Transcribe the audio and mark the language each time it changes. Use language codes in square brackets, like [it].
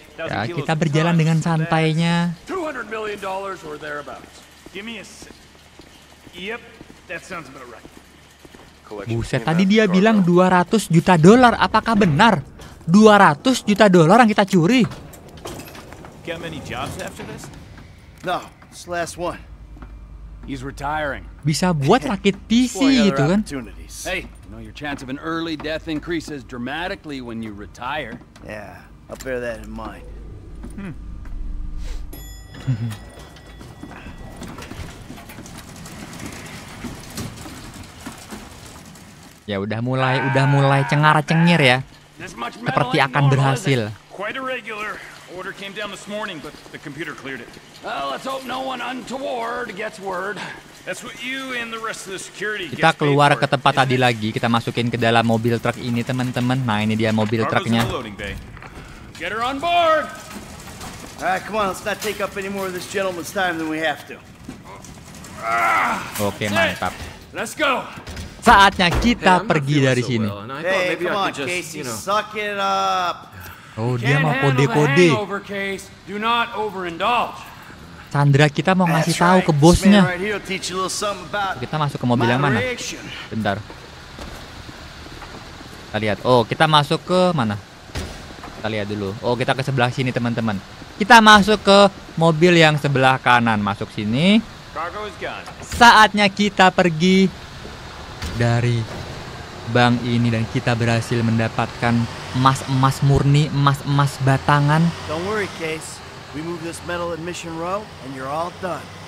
[id] Ya, kita berjalan dengan santainya. [en] $200 million or thereabouts. Give me a yep, that sounds about right. [id] Buset, tadi dia bilang $200 juta. Apakah benar $200 juta yang kita curi? [en] Get many jobs after this? No, it's the last one. He's retiring. [id] Bisa buat rakit PC gitu kan? [en] Hey, you know your chance of an early death increases dramatically when you retire. Yeah, I'll bear that in mind. [id] Ya udah mulai cengar-cengir ya. Seperti akan berhasil. [en] Quite a regular. Order came down this morning, but the computer cleared it. Well, let's hope no one untoward gets word. That's what you and the rest of the security. [id] Kita keluar ke tempat tadi lagi. Kita masukin ke dalam mobil truk ini, teman-teman. Nah, ini dia mobil truknya. [en] Get her on board. All right, come on. Let's not take up any more of this gentleman's time than we have to. [id] Okay, mantap. [en] Let's go. [id] Saatnya kita pergi dari sini. [en] Hey, come on, Casey. Suck it up. [id] Oh, dia mau kode-kode. [en] Do not overindulge. [id] Sandra, kita mau ngasih tahu ke bosnya. Kita masuk ke mobil yang mana? Bentar. Kita lihat. Oh, kita masuk ke mana? Kita lihat dulu. Oh, kita ke sebelah sini, teman-teman. Kita masuk ke mobil yang sebelah kanan. Masuk sini. Saatnya kita pergi dari bank ini dan kita berhasil mendapatkan emas-emas murni, emas-emas batangan. [en] Don't worry, Case. We move this metal in mission row and you're all done.